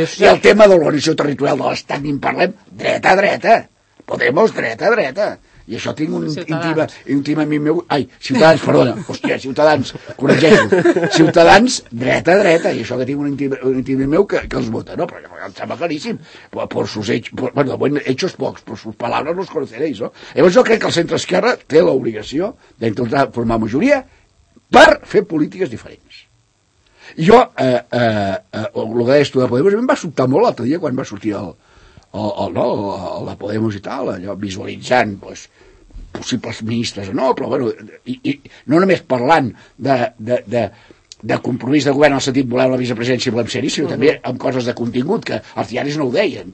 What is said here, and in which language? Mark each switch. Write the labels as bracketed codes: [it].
[ca] I el tema de l'organització territorial de l'Estat, ni en parlem, dreta a dreta. Podemos, dreta a dreta. I això tinc un íntim amic meu... Ai, Ciutadans, perdona. Hòstia, Ciutadans, corregeixo. Ciutadans, dreta a dreta. I això que tinc un íntim amic meu que els vota, no? Perquè em sembla claríssim. [es] Por sus hechos... Bueno, hechos pocs, por sus palabras los conoceréis, no? [ca] Llavors jo crec que el centre-esquerra té l'obligació d'intentar formar majoria per fer polítiques diferents. Jo, el que deies tu de Podemos, em va sobtar molt l'altre dia quan va sortir el... la Podemos i tal, allò, visualitzant pues, possibles ministres o no, però bueno, i no només parlant de compromís de govern en el sentit voleu la vicepresidència i volem ser-hi, sinó també amb coses de contingut que els diaris no ho deien.